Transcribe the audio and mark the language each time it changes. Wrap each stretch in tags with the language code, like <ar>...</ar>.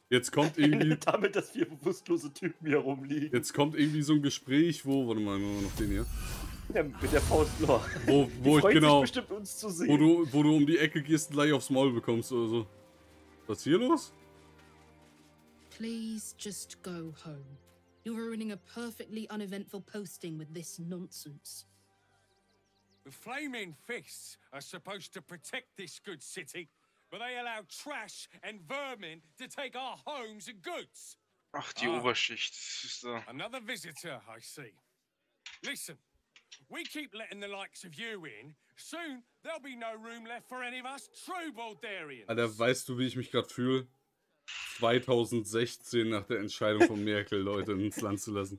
<de>Jetzt kommt irgendwie... damit, dass vier bewusstlose Typen hier rumliegen. Jetzt kommt irgendwie so ein Gespräch, wo... Warte mal, nehmen wir noch den hier. Ja, mit der Faust noch. Wo ich genau... Sich bestimmt, uns zu sehen. Wo du um die Ecke gehst und gleich aufs Maul bekommst oder so. Was ist hier los?</de> <en>Please just go home. You're ruining a perfectly uneventful posting with this nonsense. The Flaming Fists are supposed to protect this good city, but they allow trash and vermin to take our homes and goods.</en> <de>Ach, die Oberschicht.</de> <en>Another visitor, I see. Listen, we keep letting the likes of you in. Soon, there'll be no room left for any of us true Baldarians.</en> <de>Alter, weißt du, wie ich mich gerade fühle? 2016 nach der Entscheidung von Merkel, Leute ins Land zu lassen.</de>